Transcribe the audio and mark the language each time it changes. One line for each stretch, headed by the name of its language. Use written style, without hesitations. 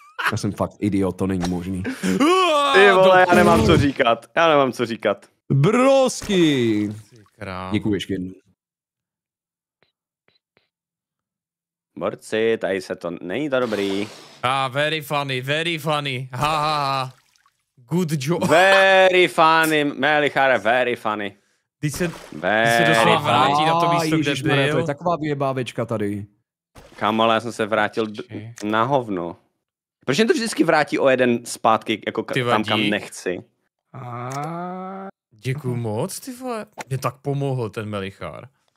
Czech: Já jsem fakt idiot, to není možný. Ty vole, já nemám co říkat. Brosky! Děkuji ještě jednou. Borci, tady se to, není to dobrý.
English: Very funny, ha ha ha. Good job. Very funny, Melichare, very funny.
Czech: Teď se doslova vrátí na to místo, kde byl. To je taková vyjebávečka tady. Kámo, ale já jsem se vrátil na hovno. Proč mě to vždycky vrátí o jeden zpátky, jako tam, kam nechci? Děkuju moc, ty vole. Mě tak pomohl ten Melichar.